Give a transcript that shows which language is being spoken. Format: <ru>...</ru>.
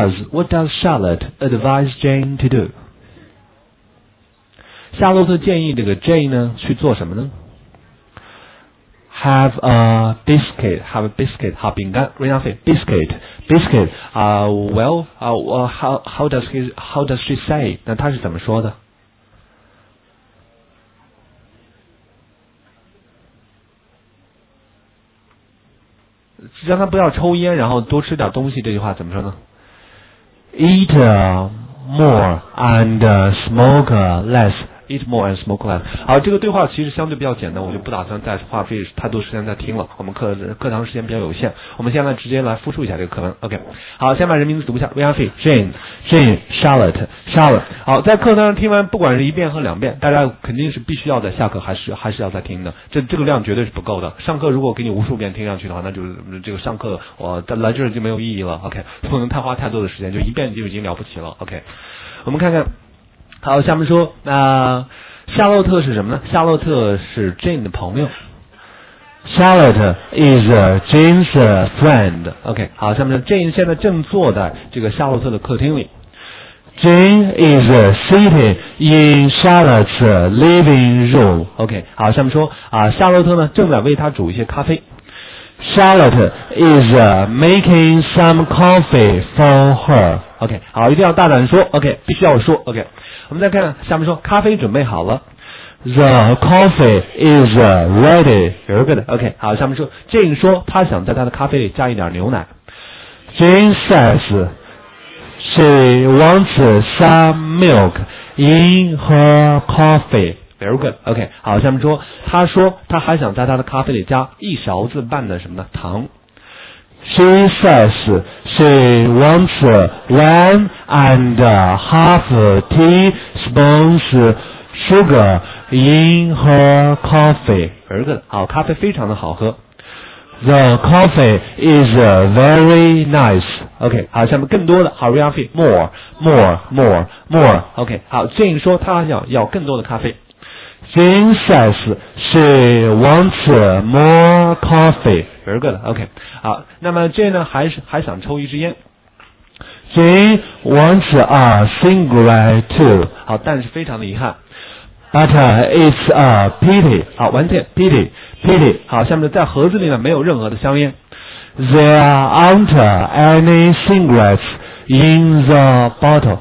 <en>What does Charlotte advise Jane to do?</en> <zh>夏洛特建议这个 Jane 呢去做什么呢 ？</zh> <en>Have a biscuit，</en> <zh>好饼干 ，read off it，biscuit， 啊 ，well， 啊 ，</zh> <en>how does she say？</en> <zh>那他是怎么说的 ？让他不要抽烟，然后多吃点东西，这句话怎么说呢 ？</zh> <en>Eat more and smoke less. Eat more and smoke less.</en> <zh>好，这个对话其实相对比较简单，我就不打算再花费太多时间再听了。我们课堂时间比较有限，我们现在直接来复述一下这个课文。 OK， 好，先把人名字读一下 ：Ryan Fee、Jane、Charlotte。好，在课堂上听完，不管是一遍和两遍，大家肯定是必须要在下课还是要再听的。这个量绝对是不够的。上课如果给你无数遍听上去的话，那就是这个上课我来这儿就没有意义了。OK， 不能太花太多的时间，就一遍就已经了不起了。 OK， 我们看看。好，下面说，那夏洛特是什么呢？夏洛特是 Jane 的朋友。</zh> <en>Charlotte is Jane's friend.</en> <zh>OK， 好，下面说 Jane 现在正坐在这个夏洛特的客厅里。</zh> <en>Jane is sitting in Charlotte's living room.</en> <zh>OK， 好，下面说夏洛特呢正在为他煮一些咖啡。</zh> <en>Charlotte is making some coffee for her.</en> <zh>OK， 好，一定要大胆说 ，OK， 必须要说 ，OK。我们再看下面说咖啡准备好了</zh> <en>The coffee is ready Very good OK</en> <zh>好下面说 Jane 说她想在她的咖啡里加一点牛奶</zh> <en>Jane says she wants some milk in her coffee Very good OK</en> <zh>好下面说她说她还想在她的咖啡里加一勺子半的什么呢糖</zh> <en>She says she wants one and half teaspoons sugar in her coffee. Very good.</en> <zh>好，咖啡非常的好喝。</zh> <en>The coffee is very nice. OK.</en> <zh>好，下面更多的，好 ，</zh> <en>read off more. OK.</en> <zh>好 ，Jane 说她要更多的咖啡。</zh> <en>Jane says she wants more coffee. Very good. OK.</en> <zh>好，那么 Jane 呢，还想抽一支烟。</zh> <en>Jane wants a cigarette too.</en> <zh>好，但是非常的遗憾。</zh> <en>But it's a pity.</en> <zh>好，完全 pity, pity. 好，下面在盒子里面没有任何的香烟。</zh> <en>There aren't any cigarettes in the bottle.</en>